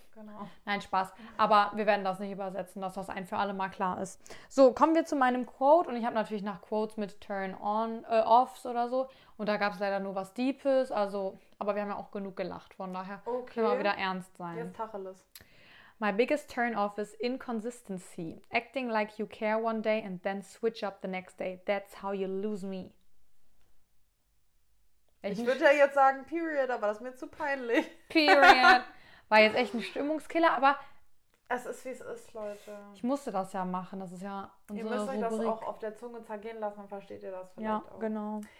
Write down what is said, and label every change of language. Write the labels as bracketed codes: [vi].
[de] Genau. Nein, Spaß. Aber wir werden das nicht übersetzen, dass das ein für alle mal klar ist. So, kommen wir zu meinem Quote. Und ich habe natürlich nach Quotes mit Turn-Offs oder so. Und da gab es leider nur was Deepes. Also, aber wir haben ja auch genug gelacht. Von daher können wir wieder ernst sein. Jetzt Tacheles. [en] My biggest turn-off is inconsistency. Acting like you care one day and then switch up the next day. That's how you lose me. [de] Ich würde ja jetzt sagen, [en] period, [de] aber das ist mir zu peinlich. [en] Period. [de] War jetzt echt ein Stimmungskiller, aber... Es ist, wie es ist, Leute. Ich musste das ja machen, das ist ja unsere Rubrik. Ihr müsst euch das auch auf der Zunge zergehen lassen, dann versteht ihr das vielleicht ja, auch. Ja, genau.